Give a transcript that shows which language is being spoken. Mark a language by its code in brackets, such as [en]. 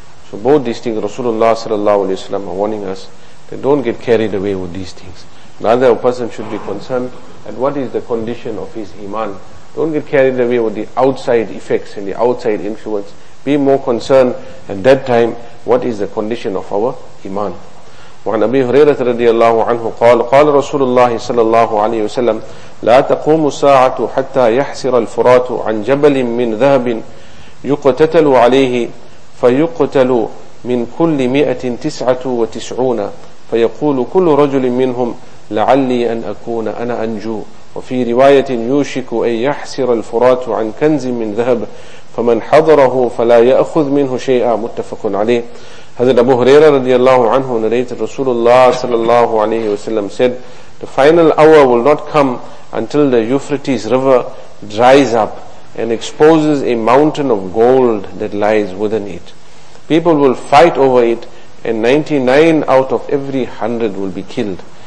[en] So both these things, Rasulullah sallallahu alayhi wa sallam are warning us that don't get carried away with these things. Rather, a person should be concerned at what is the condition of his iman. Don't get carried away with the outside effects and the outside influence. Be more concerned at that time what is the condition of our iman. [ar] وعن أبي هريرة رضي الله عنه قال قال رسول الله صلى الله عليه وسلم لا تقوم ساعة حتى يحسر الفرات عن جبل من ذهب يقتتل عليه فيقتل من كل 199 فيقول كل رجل منهم لعلي أن أكون أنا أنجو وفي رواية يوشك أن يحسر الفرات عن كنز من ذهب فمن حضره فلا يأخذ منه شيئا متفق عليه. [en] Hazrat Abu Huraira radiallahu anhu narrated, Rasulullah sallallahu alayhi wa sallam said, the final hour will not come until the Euphrates river dries up and exposes a mountain of gold that lies within it. People will fight over it, and 99 out of every 100 will be killed.